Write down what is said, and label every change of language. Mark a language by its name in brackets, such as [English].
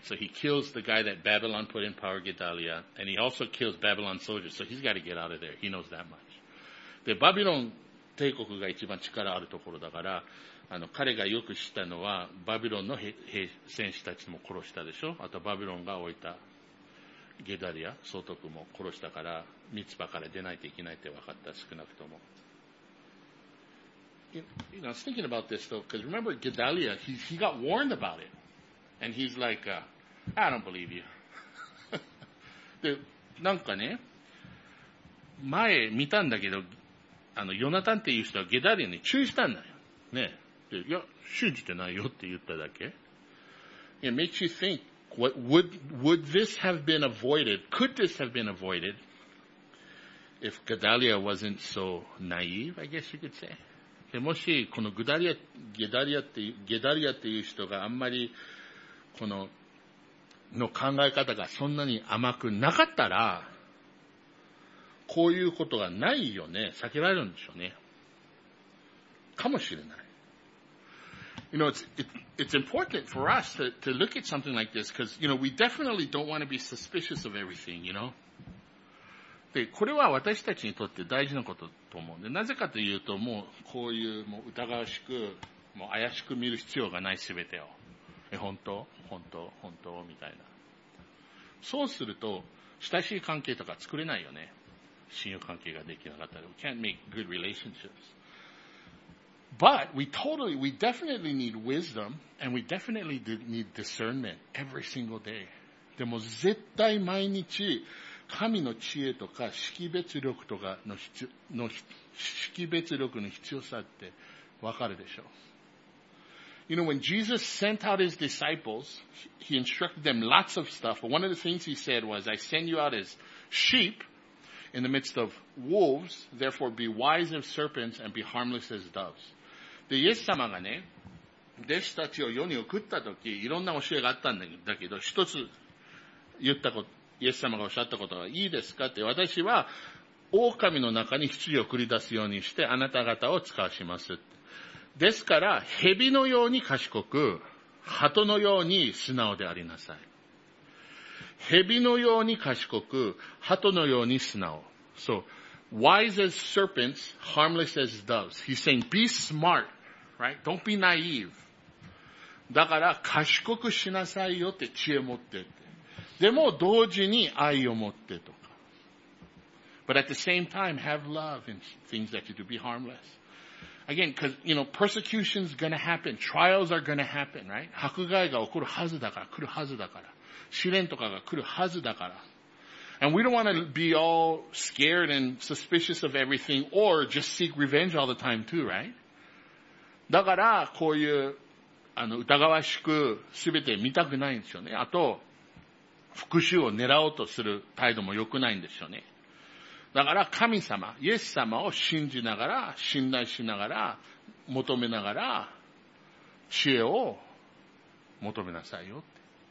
[English] So he kills the guy that Babylon put in power, Gedaliah, and he also kills Babylon soldiers. So he's got to get out of there. He knows that much. [Japanese] で、バビロン帝国が一番力あるところだから、彼がよく知ったのは、バビロンの兵戦士たちも殺したでしょ。あと、バビロンが置いたゲダリア、総督も殺したから、ミツパから出ないといけないって分かった、少なくとも。 [English] You know, I was thinking about this though, because remember Gedalia, he got warned about it. And he's like, I don't believe you. [Japanese] で、なんかね、前見たんだけど、ヨナタンっていう人はゲダリアに注意したんだよ。ね。で、いや、信じてないよって言っただけ。 [English] It makes you think, would this have been avoided, could this have been avoided, if Gedalia wasn't so naive, I guess you could say. [Japanese] で、もし、このゲダリアっていう人があんまり、の考え方がそんなに甘くなかったら、こういうことがないよね。避けられるんでしょうね。かもしれない。 [English] You know, it's important for us to look at something like this because, you know, we definitely don't want to be suspicious of everything, you know? [Japanese] で、これは私たちにとって大事なことと思うんで、なぜかというと、もうこういう、もう疑わしく、もう怪しく見る必要がないすべてを。え、本当?本当?本当?みたいな。そうすると、親しい関係とか作れないよね。信用関係ができなかったら、 [English] we can't make good relationships. But we definitely need wisdom and we definitely need discernment every single day. [Japanese] でも絶対毎日神の知恵とか識別力とかの識別力の必要さってわかるでしょう。 [English] You know, when Jesus sent out his disciples, he instructed them lots of stuff. But one of the things he said was, I send you out as sheep. In the midst of wolves, therefore be wise as serpents and be harmless as doves. [Japanese] で、イエス様がね、弟子たちを世に送ったとき、いろんな教えがあったんだけど、一つ言ったこと、イエス様がおっしゃったことはいいですかって、私は狼の中に羊を繰り出すようにしてあなた方を使わしますって。ですから、蛇のように賢く、鳩のように素直でありなさい。蛇のように賢く、鳩のように素直。 [English] So, wise as serpents, harmless as doves. He's saying, be smart, right? Don't be naive. [Japanese] だから、賢くしなさいよって知恵持ってって。でも、同時に愛を持ってとか。 [English] But at the same time, have love in things that you do. Be harmless. Again, because, you know, persecution's gonna happen. Trials are gonna happen, right? [Japanese] 迫害が起こるはずだから、来るはずだから。試練とかが来るはずだから。 And we don't want to be all scared and suspicious of everything or just seek revenge all the time too, right? だから、こういう、疑わしく全て見たくないんですよね。あと、復讐を狙おうとする態度も良くないんですよね。だから神様、イエス様を信じながら、信頼しながら、求めながら、知恵を求めなさいよって。